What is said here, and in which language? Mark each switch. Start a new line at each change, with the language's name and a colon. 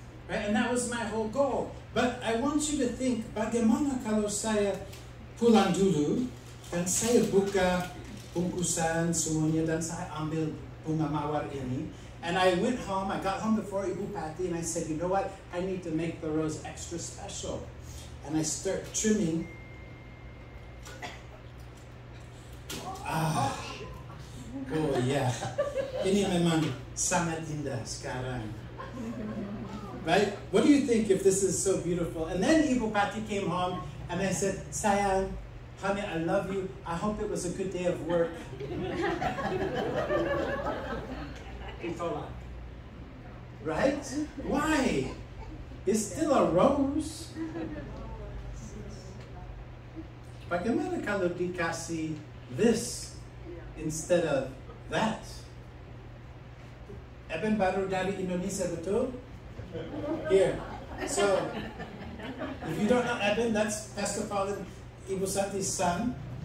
English: Right? And that was my whole goal. But I want you to think,
Indonesian: bagaimana kalau saya pulang dulu, dan saya buka bungkusan semuanya, dan saya ambil bunga mawar ini.
English: And I went home, I got home before Ibu Patty, and I said, you know what, I need to make the rose extra special. And I start trimming.
Indonesian: Oh yeah, ini memang sangat indah sekarang.
English: Right? What do you think if this is so beautiful? And then Ibu Patty came home, and I said, sayang, honey, I love you. I hope it was a good day of work. Right? Why? It's still a rose.
Indonesian: Bagaimana kalau dikasih
English: this instead of that?
Indonesian: Eben baru dari Indonesia, betul?
English: Here. So, if you don't know Eben, that's Pastor Paul and Ibu Santi's son.